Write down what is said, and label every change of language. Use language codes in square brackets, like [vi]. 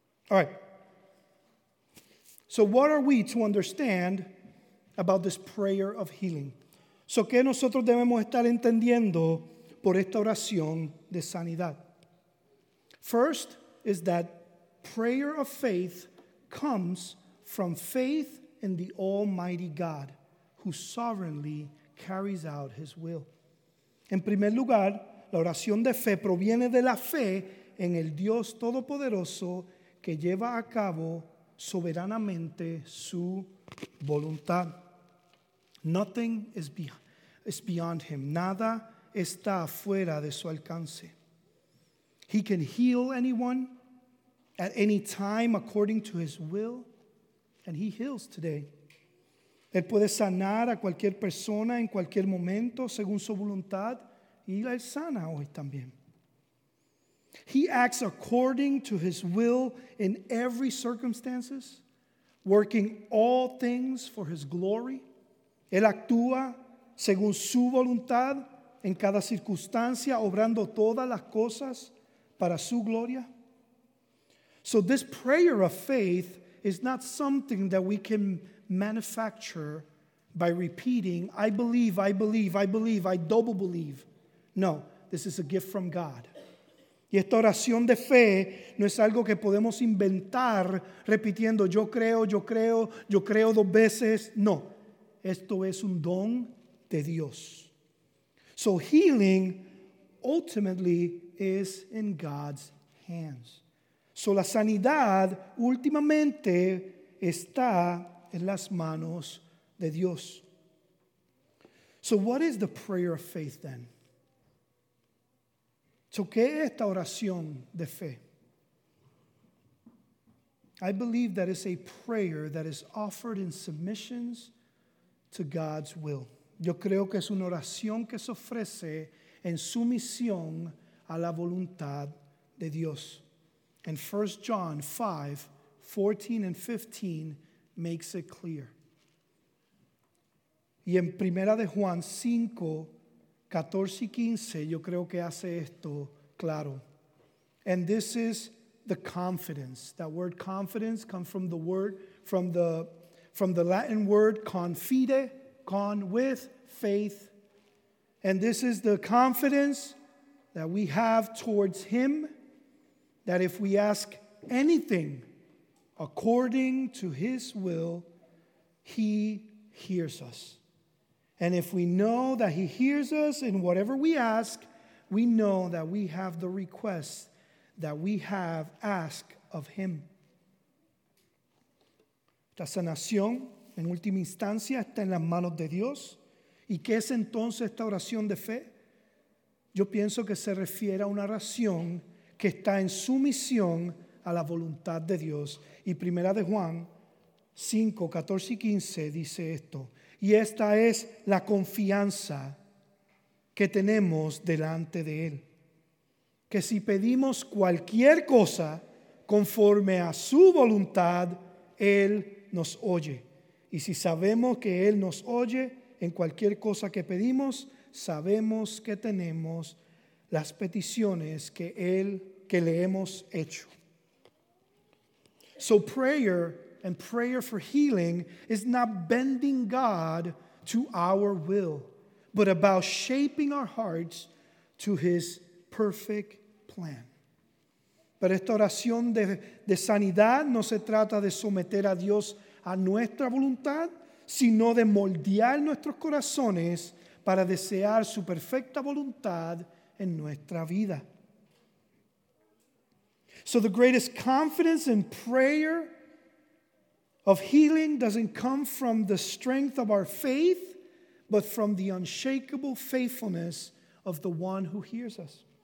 [en] All right, so what are we to understand about this prayer of healing? [es] So ¿qué nosotros debemos estar entendiendo por esta oración de sanidad? [en] First is that prayer of faith comes from faith in the Almighty God who sovereignly carries out his will. [es] En primer lugar, la oración de fe proviene de la fe en el Dios Todopoderoso que lleva a cabo soberanamente su voluntad. [en] Nothing is beyond him. [es] Nada está fuera de su alcance. [en] He can heal anyone at any time according to his will, and he heals today. [es] Él puede sanar a cualquier persona en cualquier momento según su voluntad, y él sana hoy también. [en] He acts according to his will in every circumstances, working all things for his glory. [es] Él actúa según su voluntad en cada circunstancia, obrando todas las cosas para su gloria. [en] So this prayer of faith is not something that we can manufacture by repeating, I believe, I believe, I believe, I double believe. No, this is a gift from God. [es] Y esta oración de fe no es algo que podemos inventar repitiendo yo creo, yo creo, yo creo dos veces. No, esto es un don de Dios. [en] So healing ultimately is in God's hands. [es] So la sanidad últimamente está en las manos de Dios. [en] So what is the prayer of faith then? [es] So, ¿qué es esta oración de fe? [en] I believe that it's a prayer that is offered in submissions to God's will. [es] Yo creo que es una oración que se ofrece en sumisión a la voluntad de Dios. [en] And 1 John 5, 14 and 15 makes it clear. [es] Y en 1 de Juan 5, 14 y 15, yo creo que hace esto claro. [en] And this is the confidence. That word confidence comes from the word from the Latin word confide, con with, faith. And this is the confidence that we have towards him, that if we ask anything according to his will, he hears us. And if we know that he hears us in whatever we ask, we know that we have the request that we have asked of him. [es] La sanación, en última instancia, está en las manos de Dios. ¿Y qué es entonces esta oración de fe? Yo pienso que se refiere a una oración que está en sumisión a la voluntad de Dios. Y Primera de Juan 5, 14 y 15 dice esto. Y esta es la confianza que tenemos delante de él. Que si pedimos cualquier cosa conforme a su voluntad, él nos oye. Y si sabemos que él nos oye en cualquier cosa que pedimos, sabemos que tenemos las peticiones que le hemos hecho. [en] So prayer and prayer for healing is not bending God to our will, but about shaping our hearts to his perfect plan. [es] Pero esta oración de sanidad no se trata de someter a Dios a nuestra voluntad, sino de moldear nuestros corazones para desear su perfecta voluntad en nuestra vida. [en] So the greatest confidence in prayer of healing doesn't come from the strength of our faith, but from the unshakable faithfulness of the one who hears us.